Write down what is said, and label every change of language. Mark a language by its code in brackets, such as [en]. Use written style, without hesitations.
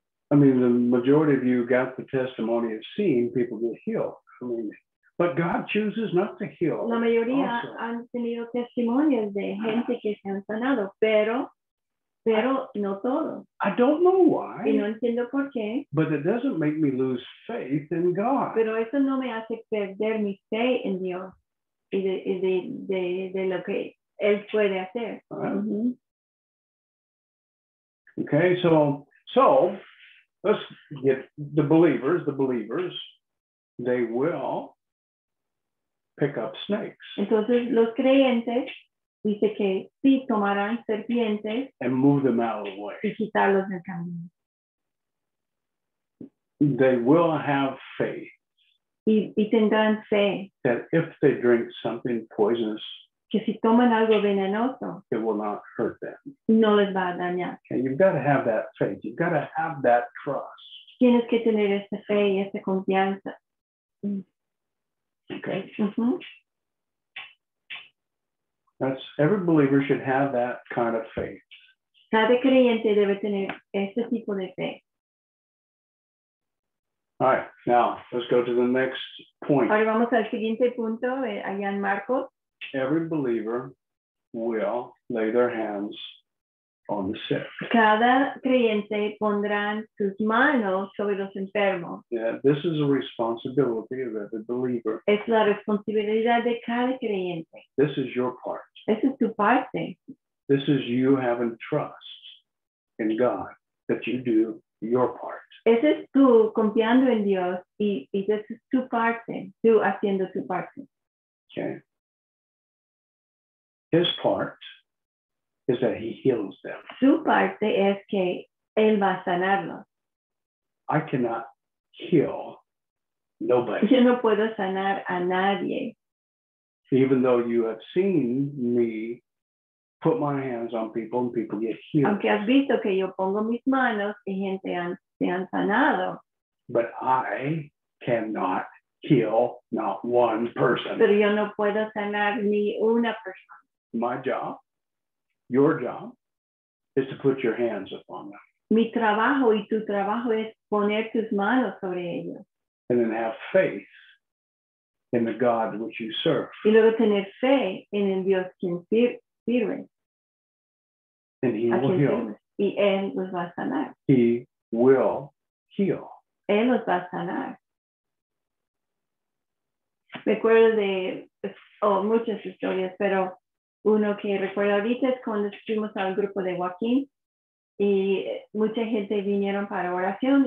[en] I mean, the majority of you got the testimony of seeing people get healed. I mean, but God chooses not to heal. [es] La mayoría also han tenido testimonios de gente que se han sanado, pero no todo. [en] I don't know why. [es] Y no entiendo por qué. [en] But it doesn't make me lose faith in God. [es] Pero eso no me hace perder mi fe en Dios y de lo que Él puede hacer. [en] Okay, so let's get the believers, they will pick up snakes. [es] Entonces los creyentes dice que sí tomarán serpientes [en] and move them out of the way. [es] Y quitarlos del camino. [en] They will have faith. [es] Y tendrán fe. [en] That if they drink something poisonous, [es] que si toman algo venenoso, [en] it will not hurt them. [es] No les va a dañar. [en] Okay, you've got to have that faith. You've got to have that trust. [es] Tienes que tener esa fe y esa confianza. [en] Okay. Mm-hmm. That's every believer should have that kind of faith. [es] Cada creyente debe tener ese tipo de fe. [en] All right. Now let's go to the next point. [es] Ahora vamos al siguiente punto allá en Marcos. [en] Every believer will lay their hands on the sick. [es] Cada creyente pondrán sus manos sobre los enfermos. [en] Yeah, this is a responsibility of every believer. [es] Es la responsabilidad de cada creyente. [en] This is your part. [es] Esa es tu parte. [en] This is you having trust in God that you do your part. [es] Esa es tú confiando en Dios y esa es tu parte, tú haciendo tu parte. [en] Okay. His part is that he heals them. [es] Su parte es que él va a sanarlos. [en] I cannot heal nobody. [es] Yo no puedo sanar a nadie. [en] Even though you have seen me put my hands on people and people get healed. [es] Aunque has visto que yo pongo mis manos y gente se han sanado. [en] But I cannot heal not one person. [es] Pero yo no puedo sanar ni una persona. [en] My job, your job, is to put your hands upon them. [es] Mi trabajo y tu trabajo es poner tus manos sobre ellos. [en] And then have faith in the God which you serve. [es] Y luego tener fe en el Dios quien sirve. [en] And he will heal. [es] Y él los va a sanar. [en] He will heal. [es] Él los va a sanar. Me acuerdo de muchas historias, pero uno que recuerdo ahorita es cuando estuvimos al grupo de Joaquín y mucha gente vinieron para oración.